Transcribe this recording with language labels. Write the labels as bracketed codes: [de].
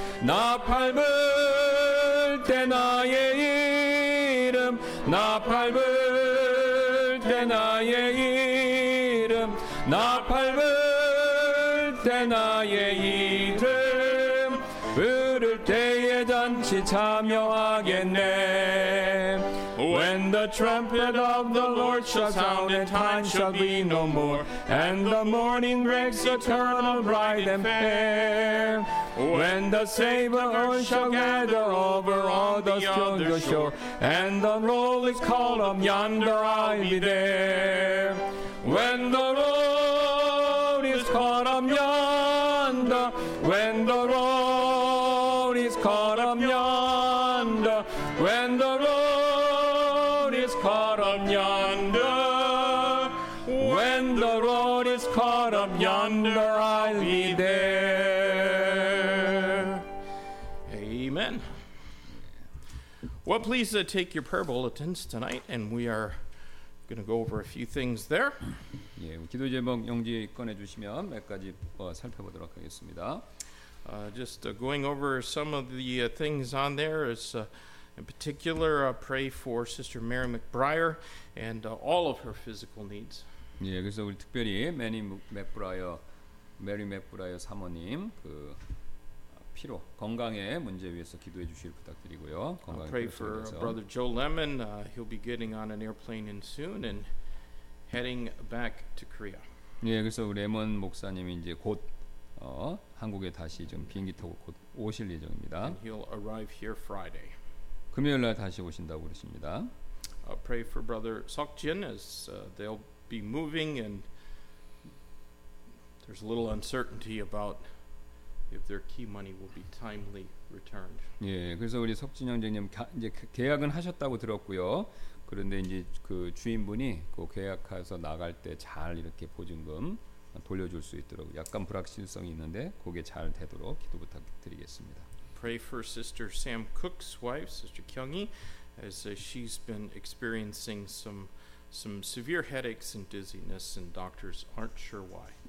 [ko] 나팔 불 때 나의 이름 나팔 불 때 나의 이름 나팔 불 때 나의 이름 부를 때에 잔치 참여하겠네. [en] When the trumpet of the Lord shall sound and time shall be no more and the morning breaks eternal bright and fair. When the saber earth shall gather over all the stronger shore and the roll is called up yonder I'll be there. When the roll is called up yonder when the roll is called up yonder when the roll is called up yonder when the roll is called up yonder I'll be there. Amen. Well, please take your prayer bulletins tonight, and we are going to go over a few things there. [ko] 예, 기도 제목 용지 꺼내 주시면 몇 가지 살펴보도록 하겠습니다. [en] Just going over some of the things on there is, in particular, pray for Sister Mary McBriar and all of her physical needs. [ko] 예, 그래서 우리 특별히 매니 맥브라이어, 메리 맥브라이어 사모님 그 피로 건강의 문제 위해서 기도해 주시길 부탁드리고요. [en] I'll pray for Brother Joe Lemon. He'll be getting on an airplane in soon and heading back to Korea. [ko] 예, 그래서 레몬 목사님이 이제 곧 한국에 다시 좀 비행기 타고 곧 오실 예정입니다. [en] And he'll arrive here Friday. [ko] 금요일 날 다시 오신다고 그러십니다. [en] I'll pray for Brother Seokjin as they'll be moving and there's a little uncertainty about if their key money will be timely returned. [ko] 예, 그래서 우리 석진 형제님 이제 계약은 하셨다고 들었고요. 그런데 이제 그 주인분이 그 계약해서 나갈 때 잘 이렇게 보증금 돌려줄 수 있도록 약간 불확실성이 있는데 그게 잘 되도록 기도 부탁드리겠습니다. [en] Pray for Sister Sam Cook's wife, Sister Kyung-hee, as she's been experiencing some severe headaches and dizziness, and doctors aren't sure why.